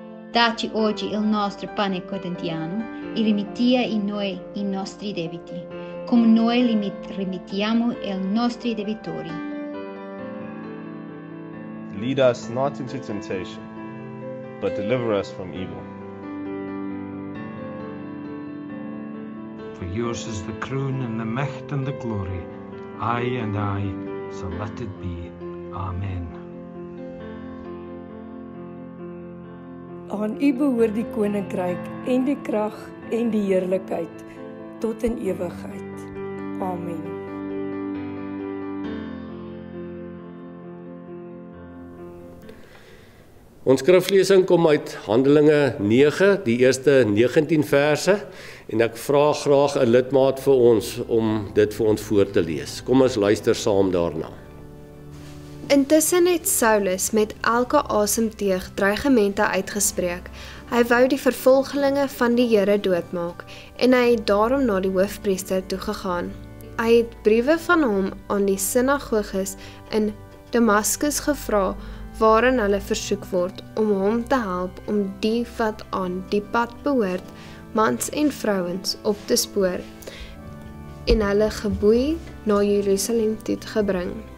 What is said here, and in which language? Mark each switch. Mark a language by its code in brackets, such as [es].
[it] Dacci oggi il nostro pane quotidiano e rimetti a noi i nostri debiti, come noi rimettiamo i nostri debitori. [en] Lead us not into temptation, but deliver us from evil. For yours is the crown and the might and the glory, aye and aye, so let it be. Amen. [af] Aan U behoort die koninkryk en die krag en die heerlikheid tot in ewigheid. Amen. Ons skriflesing kom uit Handelinge 9, die eerste 19 verse, en ek vra graag 'n lidmaat vir ons om dit vir ons voor te lees. Kom ons luister saam daarna. Intussen het Saulus met elke asemteug dreigemente uitgespreek. Hy wou die vervolgelinge van die Here doodmaak en hy het daarom na die hoofpriester toe gegaan. Hy het briewe van hom aan die sinagoges in Damascus gevra waarin hulle versoek word om hom te help om die wat aan die pad behoort, mans en vrouens, op te spoor en hulle geboei na Jerusalem toe te bring.